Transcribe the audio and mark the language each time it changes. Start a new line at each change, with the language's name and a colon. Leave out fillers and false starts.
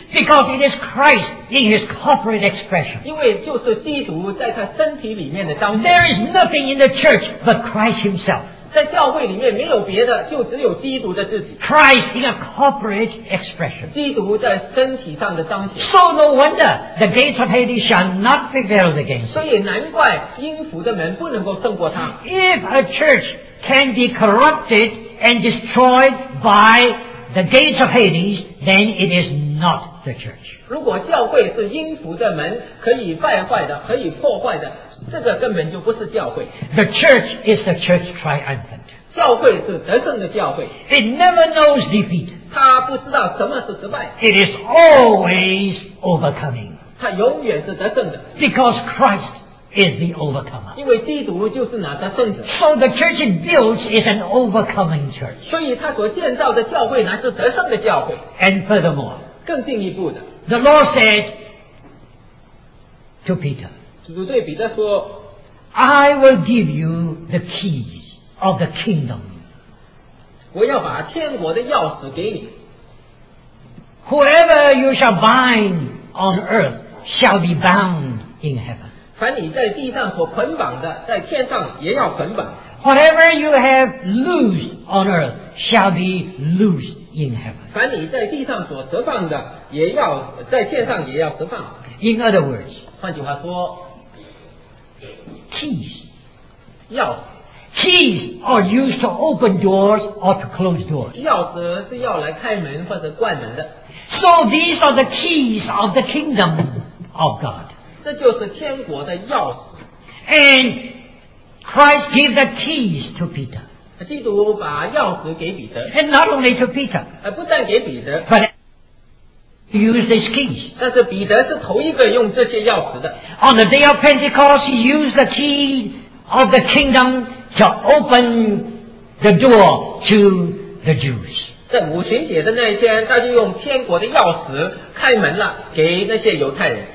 English: Because it is Christ in his corporate expression.
Chinese: 因为就是基督在他身体里面的彰显。
English: There is nothing in the church but Christ himself.
Chinese: 在教会里面没有别的，就只有基督的自己。
English: Christ in a corporate expression.
Chinese: 基督在身体上的彰显。
English: So no wonder the gates of Hades shall not prevail against.
Chinese: 所以难怪阴府的门不能够胜过他。
English: If a church can be corrupted and destroyed by the gates of Hades, then it is not the church.
Chinese: 如果教会是阴府的门，可以败坏的，可以破坏的。这个根本就不是教会。
English: The church is the church triumphant.
Chinese: 教会是得胜的教会。
English: It never knows defeat.
Chinese: 它不知道什么是失败。
English: It is always overcoming.
Chinese: 它永远是得胜的。
English: Because Christ is the overcomer.
Chinese: 因为基督就是那得胜者。
English: So the church it builds is an overcoming church.
Chinese: 所以它所建造的教会乃是得胜的教会。
English: And furthermore,
Chinese: 更进一步的。
English: The Lord said to Peter.
Chinese: 主对彼得说
English: I will give you the keys of the kingdom.
Chinese: 我要把天国的钥匙给你。
English: Whoever you shall bind on earth shall be bound in heaven.
Chinese: 凡你在地上所捆绑的在天上也要捆绑。
English: Whatever you have loosed on earth shall be loosed in heaven.
Chinese: 凡你在地上所释放的也要在天上也要释放。
English: In other words,
Chinese: 换句话说
English: Keys are used to open doors or to close doors.
Chinese: 钥匙是要来开门或者关门的。
English: So these are the keys of the kingdom of God.
Chinese: 这就是天国的钥匙。
English: And Christ gave the keys to Peter.
Chinese: 基督把钥匙给彼得。
English: And not only to Peter.
Chinese: 不但给彼得。
English: But used his keys.
Chinese: 但是彼得是头一个用这些钥匙的。
English: On the day of Pentecost, he used the key of the kingdom to open the door to the Jews.
Chinese: 在五旬节的那一天，他就用天国的钥匙开门了，给那些犹太人。